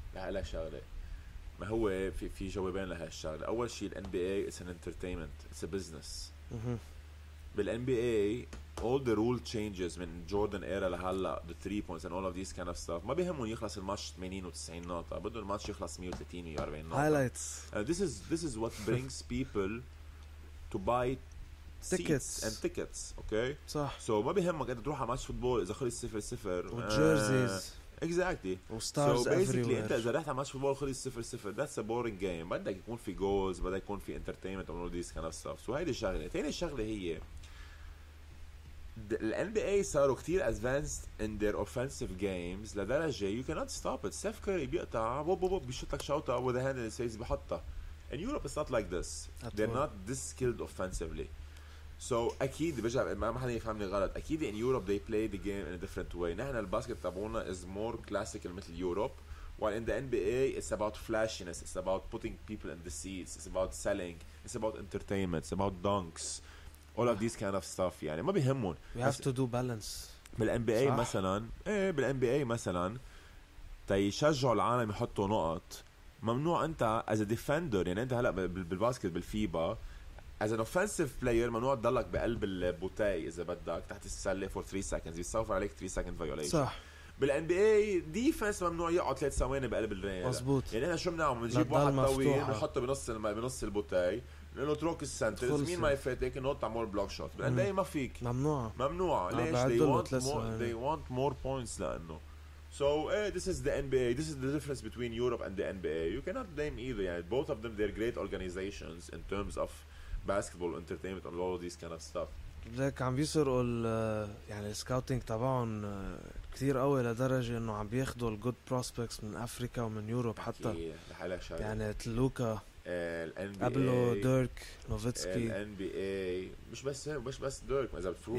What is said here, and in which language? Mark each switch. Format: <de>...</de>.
<ar>على شغله ما هو في جوابين لهالشغلة. أول شيء الـ</ar> <en>NBA is an entertainment, it's a business.</en> <ar>بالـ</ar> <en>NBA all the rule changes</en> <ar>من</ar> <en>Jordan era</en> <ar>لهلا</ar> <en>the three points and all of these kind of stuff</en> <ar>ما بيهمون يخلص الماتش 80 و90 نقطة بدون الماتش يخلص 130 و140 نقطة</ar> <en>highlights this is what brings people to buy tickets and tickets okay</en> <ar>صح. So ما بيهمك أنت تروح على ماتش فوتبول إذا خلص 0-0 والجيرزيز</ar> <en>exactly</en> <ar>وستارز</ar> <en>so basically everywhere.</en> <ar>انت اذا رحت على ماتش فوتبول خلص 0-0</ar> <en>that's a boring game</en> <ar>بدك يكون في goals بدك يكون في</ar> <en>entertainment and all these kind of stuff.</en> <ar>So هيدي الشغلة. تاني الشغلة هي ال</ar> <en>NBA</en> <ar>صاروا كتير</ar> <en>advanced in their offensive games</en> <ar>لدرجة</ar> <en>you cannot stop it.</en> <ar>Steph Curry بيقطع بيشوت لك شوطة</ar> <en>with a hand in his face</en> <ar>بحطها.</ar> <en>In Europe it's not like this they're not this skilled offensively. So</en> <ar>أكيد بجرب ما حدا يفهمني غلط أكيد</ar> <en>in Europe they play the game in a different way.</en> <ar>نحن الباسكت تبعونا</ar> <en>is more classical</en> <ar>مثل</ar> <en>Europe while in the NBA it's about flashiness, it's about putting people in the seats, it's about selling, it's about entertainment, it's about dunks, all of these kind of stuff.</en> <ar>يعني ما بيهمون.</ar> <en>We have to do balance.</en> <ar>بال NBA مثلا إيه بال NBA مثلا تيشجعوا العالم يحطوا نقط ممنوع انت</ar> <en>as a defender,</en> <ar>يعني انت هلا بالباسكت بالفيبا</ar> <en>as an offensive player</en> <ar>ممنوع تضلك بقلب البوتاي اذا بدك تحت السله</ar> <en>for 3 seconds</en> <ar>بيصفر عليك</ar> <en>3 second violation.</en> <ar>صح. بالNBA defense ممنوع يقعد 3 ثواني بقلب الرين. مظبوط. يعني احنا شو بنعمل؟ بنجيب واحد طويل بنحطه بنص بنص البوتاي لانه تروك السنتر مين ما يفاتك انه تعمل مور بلوك شوت. بالNBA ما فيك. ممنوع. ممنوع. ليش؟</ar> <en>they want more points</en> <ar>لانه</ar> <en>so this is the NBA, this is the difference between Europe and the NBA. You cannot blame either, yeah. Both of them, they're great organizations in terms of basketball entertainment and all of these kind of stuff.</en> <ar>لك عم بيسرقوا يعني السكاوتينج تبعهم كثير قوي لدرجة انه عم بياخدوا ال</ar> <en>good prospects</en> <ar>من افريكا ومن يوروب حتى. يعني تلوكا قبله ديرك نوفيتسكي NBA مش بس ديرك ما زبط فروق</ar>